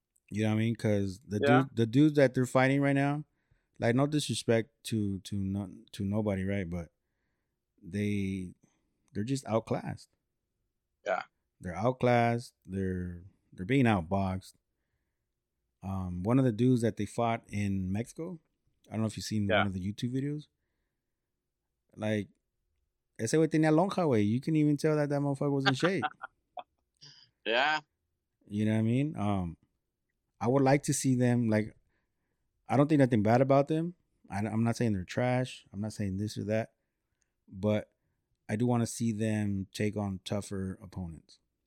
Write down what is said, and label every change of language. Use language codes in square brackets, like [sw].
[en] You know what I mean? Because the dudes that they're fighting right now, like, no disrespect to nobody, right? But they're just outclassed. Yeah. They're outclassed. They're being outboxed. One of the dudes that they fought in Mexico, I don't know if you've seen one of the YouTube videos. [es] Like, ese güey tenía lonja, güey. [en] You can even tell that motherfucker was in shape. Yeah. You know what I mean? I would like to see them, like, I don't think nothing bad about them. I'm not saying they're trash. I'm not saying this or that. But I do want to see them take on tougher opponents.